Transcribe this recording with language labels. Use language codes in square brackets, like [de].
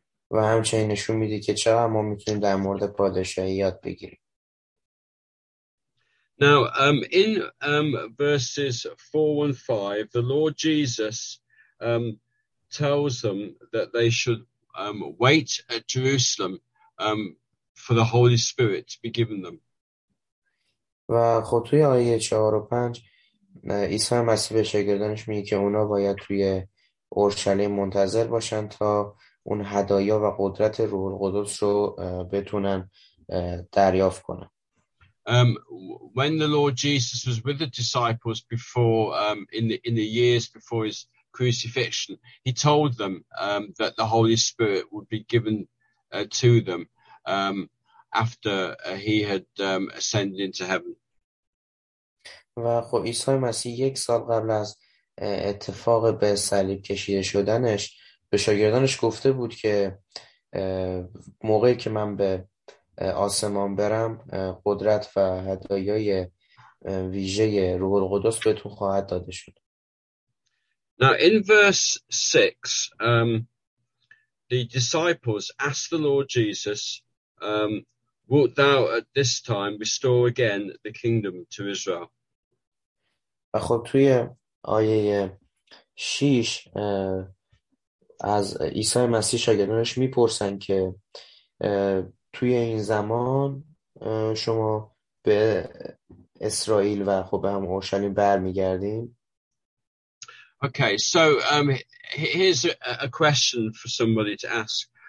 [fa] و همچنین نشون میده که چقدر ما میتونیم در مورد پادشاهی یاد بگیریم. [en] Now, in verses 4 and 5, the Lord Jesus tells them that they should wait at Jerusalem for the Holy Spirit to be given them. [fa] و خب توی آیه 4 و 5 عیسی مسیح به شاگردانش میگه که اونا باید توی اورشلیم منتظر باشن تا اون هدایا و قدرت روح القدس رو بتونن دریافت کنن. [en] When the Lord Jesus was with the disciples before in the years before his crucifixion, he told them that the Holy Spirit would be given to them after he had ascended into heaven. [fa] و خب عیسی مسیح یک سال قبل از اتفاق به صلیب کشیده شدنش به شاگردانش گفته بود که موقعی که من به آسمان برم قدرت و هدایای ویژه روح القدس بهتون خواهد داده شد. [en] Now in verse 6 the disciples asked the Lord Jesus wilt thou at this time restore again the kingdom to Israel. [fa] و خب توی آیه 6 از عیسی مسیح شاگردانش میپرسن که توی این زمان شما به اسرائیل و خب به هم اورشلیم برمیگردیم. [en] Okay, so here's a question for somebody to ask.